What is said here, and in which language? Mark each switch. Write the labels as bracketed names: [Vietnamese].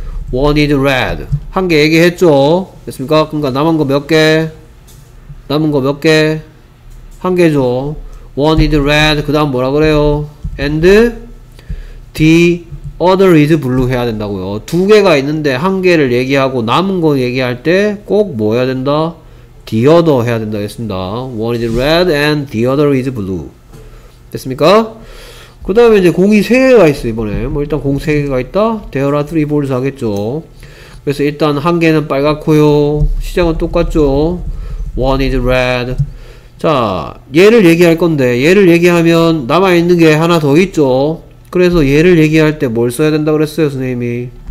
[English] One is red. [Korean] 한 개 얘기했죠. 됐습니까? 그러니까 남은 거 몇 개? 남은 거 몇 개? 한 개죠. One is red. 그 다음 뭐라 그래요? [English] And the other is blue [Korean] 해야 된다고요. 두 개가 있는데 한 개를 얘기하고 남은 거 얘기할 때 꼭 뭐 해야 된다? The other 해야 된다 했습니다. [English] One is red and the other is blue. [Korean] 됐습니까? 그 다음에 이제 공이 세 개가 있어요. 이번에 뭐 일단 공 세 개가 있다? [English] There are three balls 하겠죠. [Korean] 그래서 일단 한 개는 빨갛고요. 시작은 똑같죠. [English] One is red. [Korean] 자, 얘를 얘기할 건데 얘를 얘기하면 남아있는 게 하나 더 있죠. 그래서 얘를 얘기할 때 뭘 써야 된다 그랬어요 선생님이?